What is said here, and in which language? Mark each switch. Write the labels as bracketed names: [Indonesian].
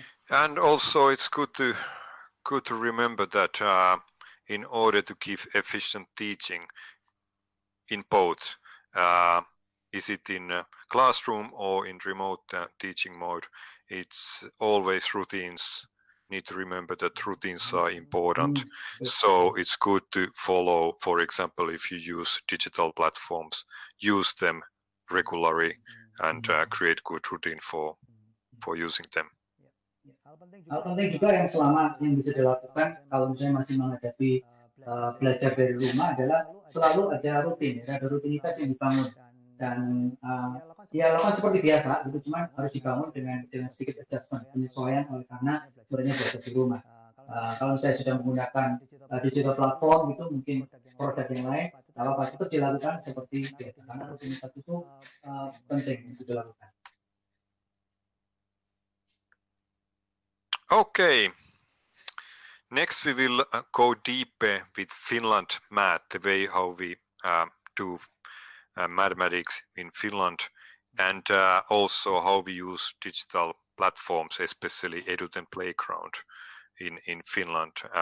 [English] And also it's good to remember that in order to give efficient teaching in both, is it in a classroom or in remote teaching mode, it's always routines. Need to remember that routines are important. So it's good to follow, for example, if you use digital platforms, use them regularly and create good routine for using them. [Indonesian] Hal penting juga yang selama yang bisa dilakukan kalau misalnya masih menghadapi belajar dari rumah adalah selalu ada rutin, ada rutinitas yang dibangun dan dialogan seperti biasa itu cuma harus dibangun dengan sedikit adjustment, penyesuaian oleh karena sebenarnya belajar di rumah. Kalau saya sudah menggunakan digital platform itu mungkin produk yang lain, apa-apa itu dilakukan seperti biasa karena rutinitas itu penting untuk dilakukan. [English] Okay, next we will go deeper with Finland math, the way how we do mathematics in Finland, and also how we use digital platforms, especially EDUTEN Playground in Finland.